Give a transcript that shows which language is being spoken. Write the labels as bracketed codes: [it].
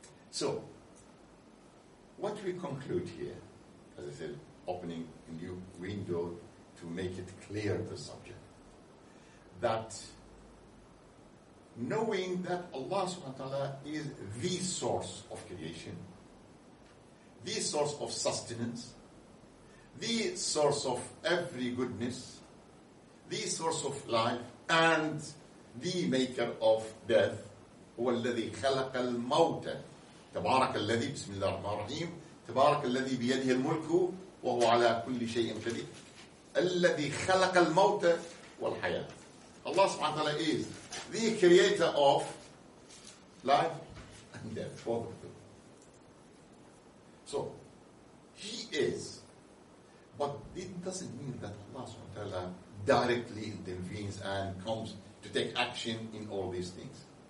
[en] So, what we conclude here, as I said, opening a new window to make it clear the subject, that knowing that Allah subhanahu wa ta'ala is the source of creation, the source of sustenance, the source of every goodness, the source of life, and the maker of death. [ar] هو الذي خلق الموت. تبارك الذي بسم الله الرحمن الرحيم تبارك الذي بيده الملك وهو على كل شيء قدير الذي خلق الموت والحياة. [en] Allah [ar] سبحانه وتعالى [en] is the creator of life and death. Both of them. So he is, but it doesn't mean that Allah [ar] سبحانه وتعالى [en] directly intervenes and comes to take action in all these things.